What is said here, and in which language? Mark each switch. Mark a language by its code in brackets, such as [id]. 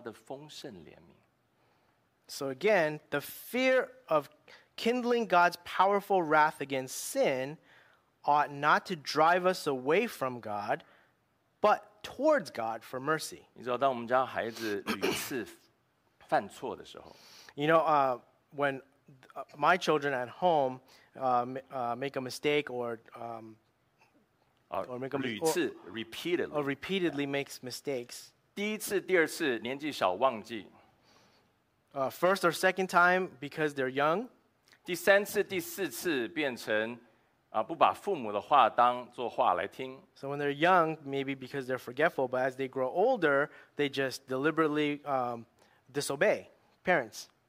[zh] 反而应该怎么样？让我们逃往神的面前，去寻求他的丰盛怜悯。 [en] So again, the fear of kindling God's powerful wrath against sin ought not to drive us away from God, but towards God for mercy. [zh] 你知道，当我们家孩子屡次犯错的时候， [en] You know, when my children at home make a mistake or repeatedly makes mistakes. [zh] 第一次、第二次年纪小忘记。 [en] First or second time because they're young. [zh] 第三次、第四次变成不把父母的话当作话来听。 [en] So when they're young, maybe because they're forgetful, but as they grow older, they just deliberately disobey parents.